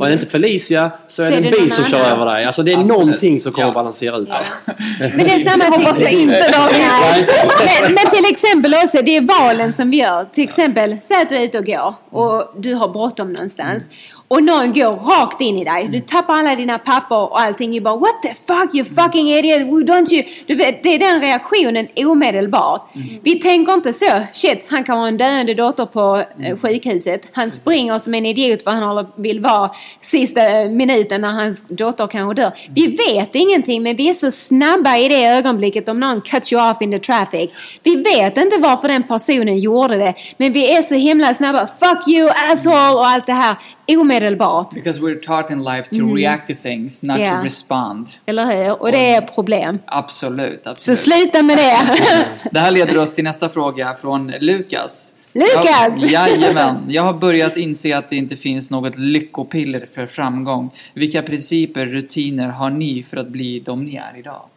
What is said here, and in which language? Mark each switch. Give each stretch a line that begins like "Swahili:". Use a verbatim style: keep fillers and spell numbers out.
Swedish: Och är det inte Felicia så är så det en bil som kör över dig. Alltså det är Absolut. någonting som kommer ja. balansera ut dig. Ja. Men det är samma ting. Hoppas jag inte då. Men, men till exempel också, det är valen som vi gör. Till exempel, säg att du är ute och går och du har bråttom någonstans och någon går rakt in i dig. Du tappar alla dina papper och allting. Du bara,
English: what the fuck, you fucking idiot, don't you?
Swedish: Du vet, det är den reaktionen omedelbart. Mm. Vi tänker inte så, shit, han kan ha en döende dotter på eh, sjukhuset. Han springer som en idiot för han vill vara sista eh, minuten när hans dotter kanske dör. Vi vet ingenting, men vi är så snabba i det ögonblicket om någon
English: cut you off in the traffic.
Swedish: Vi vet inte varför den personen gjorde det, men vi är så himla snabba.
English: Fuck you, asshole
Swedish: och allt det här. Omedelbart.
English: Because we're taught in life to mm. react to things, not yeah. to respond.
Swedish: Eller hur? Och det är problem. Absolut, absolut. Så sluta med det. Det här leder oss till nästa fråga från Lukas. Lukas! Jag, jajamän. Jag har börjat inse att det inte finns något lyckopiller för framgång. Vilka principer, rutiner har ni för att bli de ni är idag?